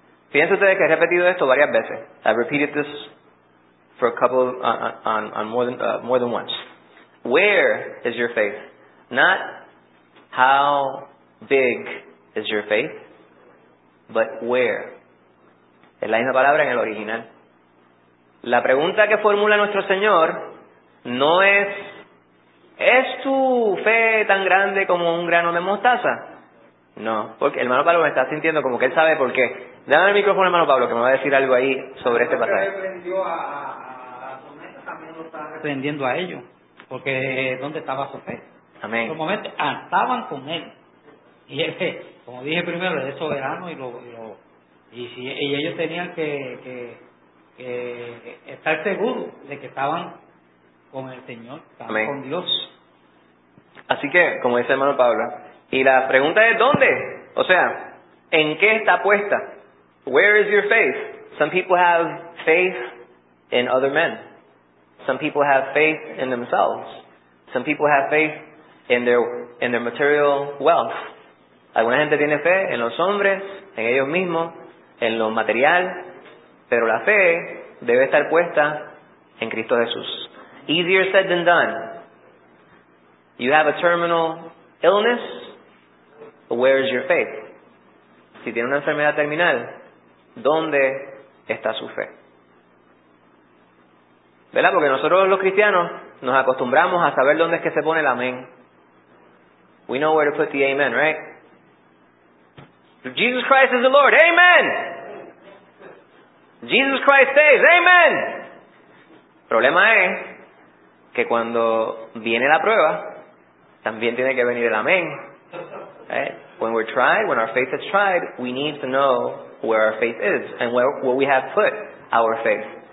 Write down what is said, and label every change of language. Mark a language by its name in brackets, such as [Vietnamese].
[Spanish] Fíjense ustedes que he repetido esto varias veces. [English] I've repeated this for a couple more than once. Where is your faith? Not how big is your faith, but where. [Spanish] Es la misma palabra en el original. La pregunta que formula nuestro Señor no es, ¿es tu fe tan grande como un grano de mostaza? No, porque el hermano Pablo me está sintiendo como que él sabe por qué. Dame el micrófono, hermano Pablo, que me va a decir algo ahí sobre este pasaje. Reprendió a su mente, también lo está reprendiendo a ellos, porque ¿dónde estaba su fe? Amén. En su momento estaban con él. Y él, como dije primero, es soberano y ellos tenían que estar seguros de que estaban con el Señor, estaban con Dios. Así que, como dice el hermano Pablo, y la pregunta es, ¿dónde? O sea, ¿en qué está puesta? [English] Where is your faith? Some people have faith in other men. Some people have faith in themselves. Some people have faith in their material wealth. [Spanish] Alguna gente tiene fe en los hombres, en ellos mismos, en lo material. Pero la fe debe estar puesta en Cristo Jesús. [English] Easier said than done. You have a terminal illness. Where is your faith? [Spanish] Si tiene una enfermedad terminal, ¿dónde está su fe? ¿Verdad? Porque nosotros los cristianos nos acostumbramos a saber dónde es que se pone el amén. [English] We know where to put the amen, right? Jesus Christ is the Lord. Amen! Jesus Christ says, amen! [Spanish] Problema es que cuando viene la prueba, también tiene que venir el amén. [English] Right? When we're tried, when our faith is tried, we need to know where our faith is and where we have put our faith.